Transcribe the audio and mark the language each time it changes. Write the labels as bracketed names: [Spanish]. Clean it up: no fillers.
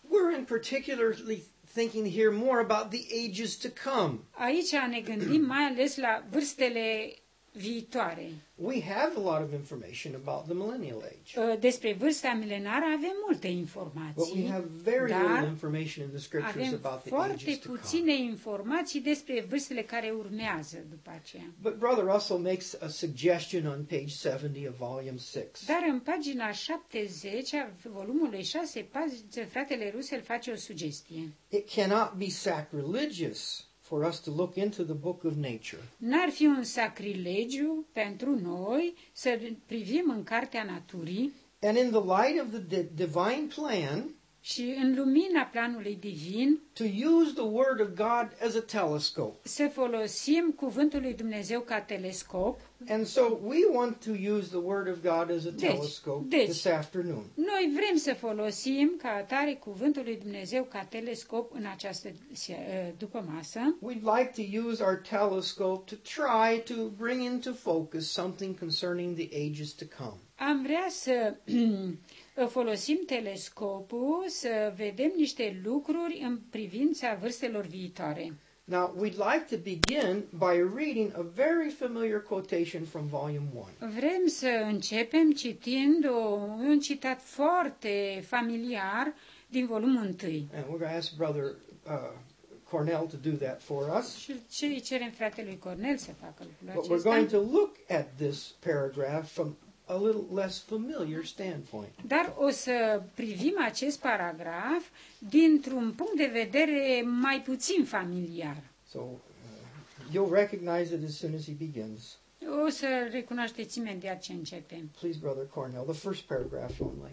[English] We're in particularly thinking here more about the ages to come. [Romanian] Aici ne gândim mai ales la vârstele viitoare. [English] We have a lot of information about the millennial age. [Romanian] Despre vârsta milenară avem multe informații. [English] But we have very little information in the scriptures about the ages to come. [Romanian] Avem foarte puține informații despre vârstele care urmează după aceea. [English] But Brother Russell makes a suggestion on page 70 of volume 6. [Romanian] Dar în pagina 70 a volumului 6, fratele Russell face o sugestie. [English] It cannot be sacrilegious for us to look into the book of nature. [Romanian] N-ar fi un sacrilegiu pentru noi să privim în cartea naturii. [English] And in the light of the divine plan, [Romanian] și în lumina planului divin, [English] to use the word of God as a telescope. [Romanian] Să folosim cuvântul lui Dumnezeu ca telescop. [English] And so we want to use the word of God as a telescope this afternoon. [Romanian] Noi vrem să folosim ca atare cuvântul lui Dumnezeu ca telescop în această după masă. [English] We'd like to use our telescope to try to bring into focus something concerning the ages to come. [Romanian] Am vrea să folosim telescopul să vedem niște lucruri în privința vârstelor viitoare. [English] Now, we'd like to begin by reading a very familiar quotation from volume 1. [Romanian] Vrem să începem citind un citat foarte familiar din volumul 1. [English] And we're going to ask Brother Cornell to do that for us. [Romanian] Și îi cerem fratelui Cornel să facă lucrul acesta. [English] But we're going to look at this paragraph from a little less familiar standpoint. [Romanian] Dar o să privim acest paragraf dintr-un punct de vedere mai puțin familiar. [English] So, you'll recognize it as soon as he begins. [Romanian] O să recunoașteți imediat ce începe. [English] Please, Brother Cornell, the first paragraph only.